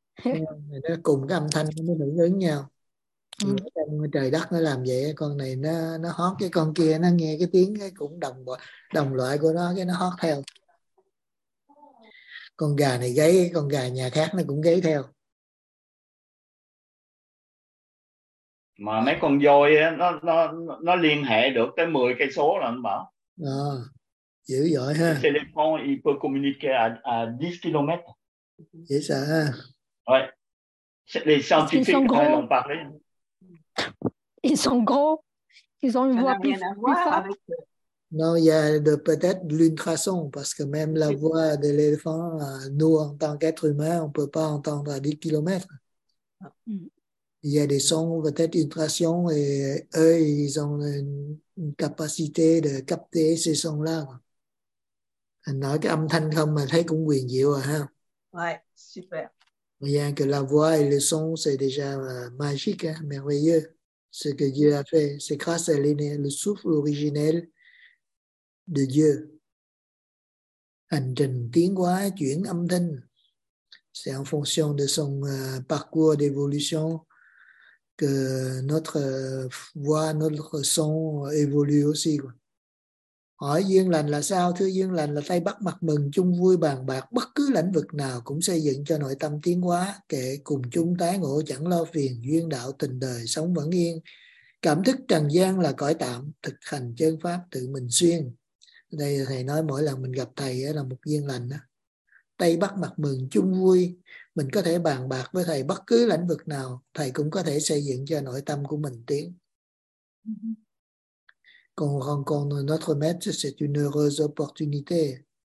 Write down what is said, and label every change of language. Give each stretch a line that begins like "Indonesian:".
Vietnamese: Nó cùng cái âm thanh nó mới hưởng ứng nhau. Trời đất nó làm vậy, con này nó hót cái con kia, nó nghe cái tiếng cái cũng đồng loại của nó, cái nó hót theo. Con gà này gáy, con gà nhà khác nó cũng gáy theo. Mà mấy con voi nó liên hệ được tới 10 cây số là anh bảo. À, dữ dội ha.
French: Téléphone, il peut communiquer à 10 km.
Vietnamese: Dễ sợ ha.
French: Ouais. C'est les scientifiques qui ont parlé. Ils sont gros. Ils ont une voix plus forte. Non, il y a de, peut-être l'ultrason, parce que même la voix de l'éléphant, nous, en tant qu'être humain, on ne peut pas entendre à 10 km. Il y a des sons, peut-être ultrason, et eux, ils ont une capacité de capter ces sons-là.
Vietnamese: Nói cái âm thanh không mà thấy cũng huyền diệu rồi ha.
French: Ouais, super. Rien que la voix et le son, c'est déjà magique, hein, merveilleux. Ce que Dieu a fait, c'est grâce à le souffle originel de Dieu.
Vietnamese: Hành trình tiến hóa, chuyển âm thanh,
French: c'est en fonction de son parcours d'évolution que notre voix, notre son évolue aussi.
Vietnamese: Hỏi duyên lành là sao? Thưa, duyên lành là tay bắt mặt mừng, chung vui bàn bạc, bất cứ lĩnh vực nào cũng xây dựng cho nội tâm tiến hóa, kể cùng chung tái ngộ, chẳng lo phiền, duyên đạo tình đời, sống vẫn yên. Cảm thức trần gian là cõi tạm, thực hành chân pháp tự mình xuyên. Đây thầy nói mỗi lần mình gặp thầy là một duyên lành. Tay bắt mặt mừng, chung vui, mình có thể bàn bạc với thầy bất cứ lĩnh vực nào, thầy cũng có thể xây dựng cho nội tâm của mình tiến.
French: Quand on rencontre notre maître, c'est une heureuse opportunité.